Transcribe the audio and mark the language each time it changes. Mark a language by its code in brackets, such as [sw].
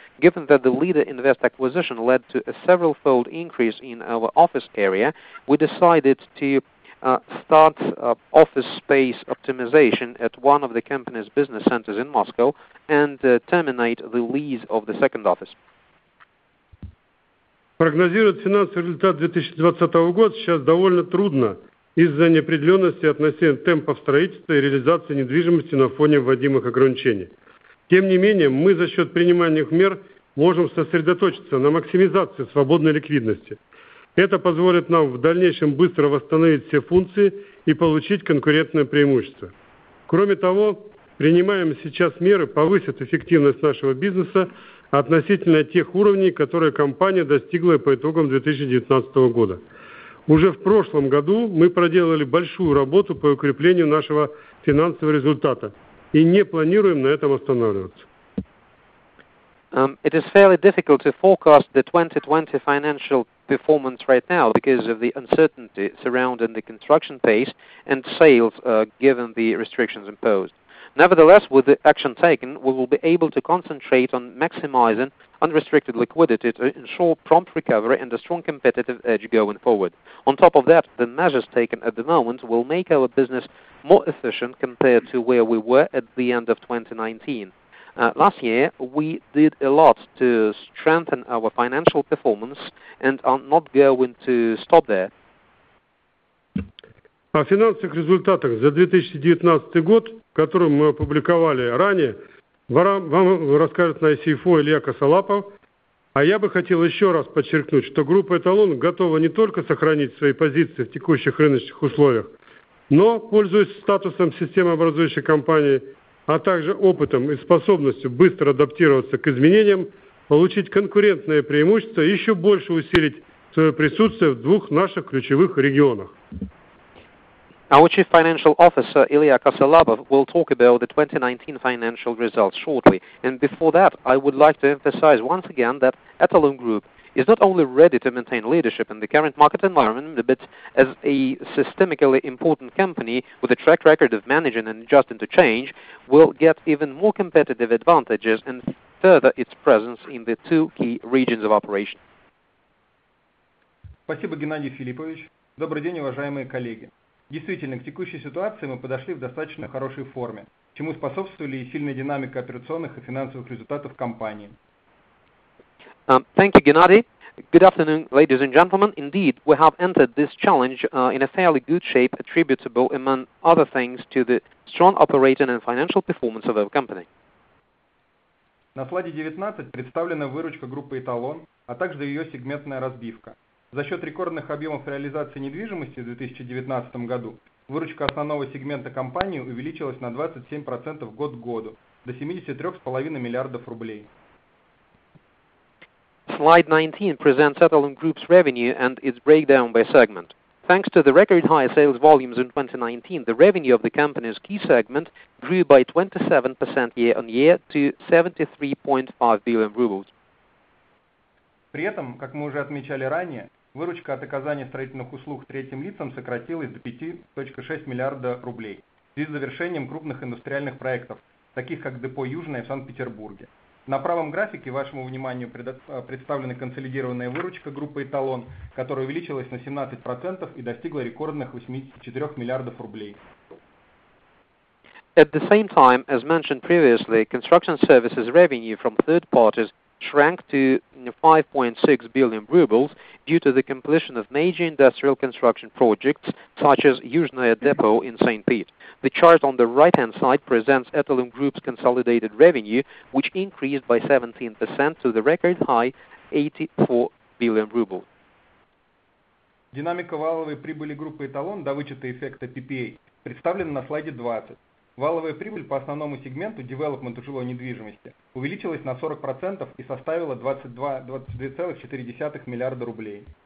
[en] Given that the Leader Invest acquisition led to a several-fold increase in our office area, we decided to start office space optimization at one of the company's business centers in Moscow and terminate the lease of the second office. [ru] Прогнозировать финансовый результат 2020 года сейчас довольно трудно из-за неопределенности относительно темпов строительства и реализации недвижимости на фоне вводимых ограничений. Тем не менее, мы за счет принимаемых мер можем сосредоточиться на максимизации свободной ликвидности. Это позволит нам в дальнейшем быстро восстановить все функции и получить конкурентное преимущество. Кроме того, принимаемые сейчас меры повысят эффективность нашего бизнеса относительно тех уровней, которые компания достигла по итогам 2019 года. Уже в прошлом году мы проделали большую работу по укреплению нашего финансового результата и не планируем на этом останавливаться. [en] It is fairly difficult to forecast the 2020 financial performance right now because of the uncertainty surrounding the construction pace and sales given the restrictions imposed. Nevertheless, with the action taken, we will be able to concentrate on maximizing unrestricted liquidity to ensure prompt recovery and a strong competitive edge going forward. On top of that, the measures taken at the moment will make our business more efficient compared to where we were at the end of 2019. Last year, we did a lot to strengthen our financial performance and are not going to stop there. [ru] О финансовых результатах за 2019 год, которые мы опубликовали ранее, вам расскажет на CFO Илья Косолапов. А я бы хотел еще раз подчеркнуть, что группа «Эталон» готова не только сохранить свои позиции в текущих рыночных условиях, но, пользуясь статусом системообразующей компании, а также опытом и способностью быстро адаптироваться к изменениям, получить конкурентное преимущество и еще больше усилить свое присутствие в двух наших ключевых регионах. [en] Our Chief Financial Officer, Ilya Kasalabov, will talk about the 2019 financial results shortly. And before that, I would like to emphasize once again that Etalon Group is not only ready to maintain leadership in the current market environment, but as a systemically important company with a track record of managing and adjusting to change, will get even more competitive advantages and further its presence in the two key regions of operation. [ru] Спасибо, Геннадий Филиппович. Добрый день, уважаемые коллеги. Действительно, к текущей ситуации мы подошли в достаточно хорошей форме, чему способствовали и сильная динамика операционных и финансовых результатов компании. [en] Thank you, Геннадий. Good afternoon, ladies and gentlemen. Indeed, we have entered this challenge in a fairly good shape, attributable, among other things, to the strong operating and financial performance of our company. [ru] На слайде 19 представлена выручка группы «Эталон», а также ее сегментная разбивка. За счет рекордных объемов реализации недвижимости в 2019 году выручка основного сегмента компании увеличилась на 27% год к году, до 73,5 миллиардов рублей. [en] Slide 19 presents Etalon Group's revenue and its breakdown by segment. Thanks to the record high sales volumes in 2019, the revenue of the company's key segment grew by 27% year on year to 73.5 billion rubles. [ru] При этом, как мы уже отмечали ранее, выручка от оказания строительных услуг третьим лицам сократилась до 5.6 миллиарда рублей в связи с завершением крупных индустриальных проектов, таких как депо «Южное» в Санкт-Петербурге. На правом графике вашему вниманию представлена консолидированная выручка группы «Эталон», которая увеличилась на 17% и достигла рекордных 84 миллиардов рублей. [en] At the same time, as mentioned previously, construction services revenue from third parties shrank to 5.6 billion rubles due to the completion of major industrial construction projects such as Yuzhnoye Depot in St. Pete. The chart on the right-hand side presents Etalon Group's consolidated revenue, which increased by 17% to the record high 84 billion rubles. [ru] Динамика валовой прибыли группы Эталон до вычета эффекта PPA представлена на слайде 20. Валовая прибыль по основному сегменту девелопмент жилой недвижимости увеличилась на 40% и составила 22,4 миллиарда рублей.